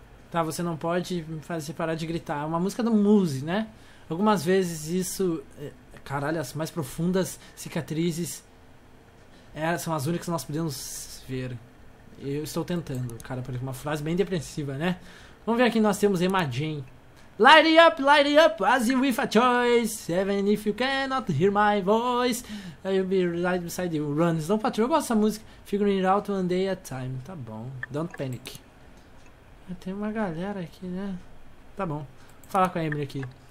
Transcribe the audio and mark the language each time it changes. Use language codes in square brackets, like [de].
[pt] Tá, você não pode me fazer parar de gritar. É uma música do Muse, né? Algumas vezes isso... Caralho, as mais profundas cicatrizes são as únicas que nós podemos ver. Eu estou tentando, cara. Por uma frase bem depressiva, né? Vamos ver aqui, nós temos Emma Jane. [en] Light it up, as you with a choice. Even if you cannot hear my voice, I'll be right beside you. Run, Snow Patrol. [pt] Eu gosto dessa música. [en] Figuring it out one day at a time. [pt] Tá bom, [en] don't panic. [pt] Tem uma galera aqui, né? Tá bom, vou falar com a Emily aqui.